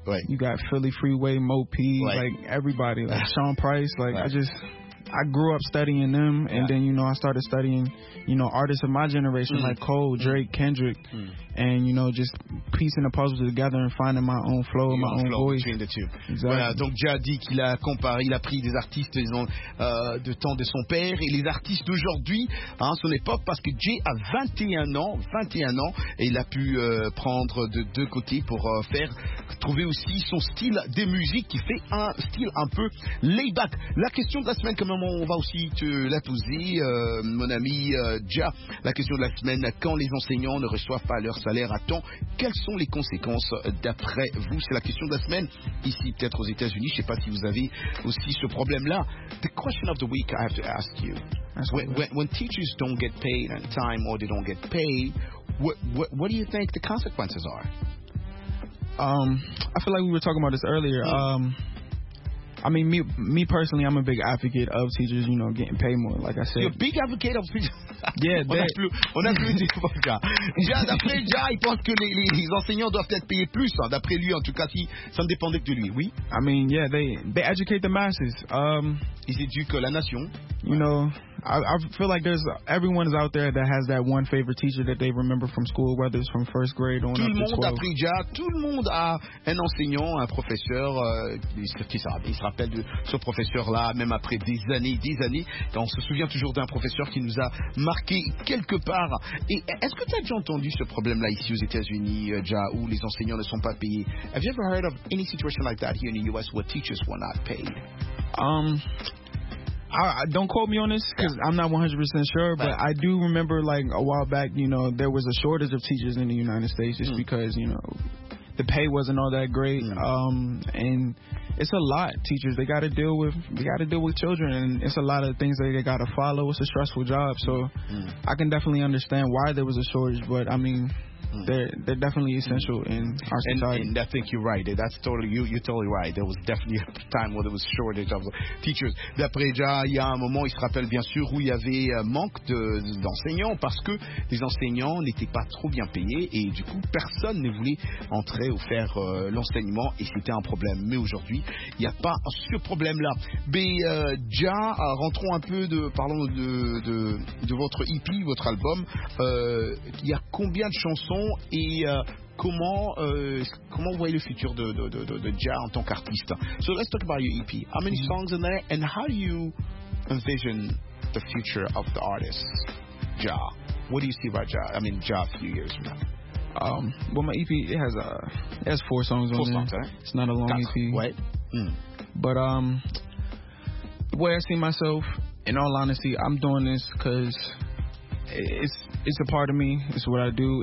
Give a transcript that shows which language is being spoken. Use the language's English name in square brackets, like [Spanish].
[English] You got Philly Freeway, Mo P, like everybody. Like, Sean Price, like, right. I grew up studying them, yeah. And then, you know, I started studying, you know, artists of my generation, mm-hmm. like Cole, Drake, Kendrick, mm-hmm. and, you know, just piecing the puzzles together and finding my own flow, and my own flow voice. Between the two. Exactly. [French] Voilà, donc Ja dit qu'il a comparé, il a pris des artistes, disons, de temps de son père, et les artistes d'aujourd'hui, hein, son époque, parce que Ja a 21 ans, et il a pu prendre de deux côtés pour faire, trouver aussi son style de musique qui fait un style un peu laid-back. La question de la semaine, on va aussi te la poser, mon ami Ja. La question de la semaine, quand les enseignants ne reçoivent pas leur salaire à temps, quelles sont les conséquences d'après vous? C'est la question de la semaine, ici peut-être aux États-Unis. Je ne sais pas si vous avez aussi ce problème-là. [English] The question of the week I have to ask you. When teachers don't get paid on time or they don't get paid, what do you think the consequences are? I feel like we were talking about this earlier. I mean, me personally, I'm a big advocate of teachers, you know, getting paid more, like I said. You're a big advocate of teachers? Yeah, [French] on a plus, d'après Ja, il pense que les enseignants doivent être payés plus, hein, d'après lui, en tout cas, si ça ne dépendait que de lui, oui. [English] I mean, yeah, they educate the masses. [French] Ils éduquent la nation. [English] You know, I feel like there's everyone is out there that has that one favorite teacher that they remember from school, whether it's from first grade on up to 12. [French] Tout le monde a pris Ja, tout le monde a un enseignant, un professeur qui se rappelle de ce professeur-là, même après des années. Et on se souvient toujours d'un professeur qui nous a marqué quelque part. Et est-ce que tu as déjà entendu ce problème-là ici aux États-Unis, Ja, où les enseignants ne sont pas payés? [English] Have you ever heard of any situation like that here in the U.S. where teachers were not paid? I don't quote me on this because I'm not 100% sure, but I do remember like a while back, you know, there was a shortage of teachers in the United States just because, you know, the pay wasn't all that great. And it's a lot, teachers. They got to deal with children, and it's a lot of things that they got to follow. It's a stressful job. So I can definitely understand why there was a shortage, but I mean, they're definitely essential in our society. And I think you're right. That's totally, you're totally right. There was definitely a time where there was a shortage of teachers. [French] D'après Ja, il y a un moment, il se rappelle bien sûr, où il y avait manque d'enseignants parce que les enseignants n'étaient pas trop bien payés et du coup, personne ne voulait entrer ou faire l'enseignement et c'était un problème. Mais aujourd'hui, il n'y a pas ce problème-là. Mais Ja, rentrons un peu, parlons de votre EP, votre album. Il y a combien de chansons comment vous voyez le futur de Ja en tant qu'artiste? [English] So let's talk about your EP. How many songs in there, and how do you envision the future of the artist Ja? What do you see about Ja? I mean, Ja a few years from now. Well, my EP it has four songs four on songs, there. Right? It's not a long EP. What? But the way I see myself, in all honesty, I'm doing this because it's a part of me. It's what I do.